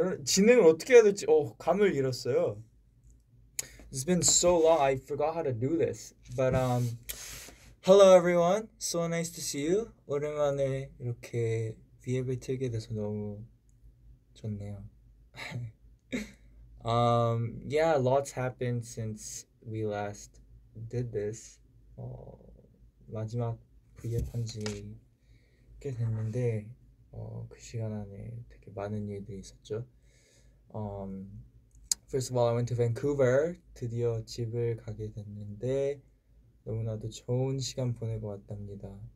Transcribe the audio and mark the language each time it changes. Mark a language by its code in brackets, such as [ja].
[ko] 진행을 어떻게 해야 될지 감을 잃었어요. [en] It's been so long. I forgot how to do this. But hello everyone. So nice to see you. [ko] 오랜만에 이렇게 VF을 틀게 돼서 너무 좋네요. [en] yeah, lots happened since we last did this. [ko] 마지막 브이앱한 지꽤 됐는데 그 시간 안에 되게 많은 일들이 있었죠. [en] First of all, I went to Vancouver. [ko] 드디어 집을 가게 됐는데 너무나도 좋은 시간 보내고 왔답니다.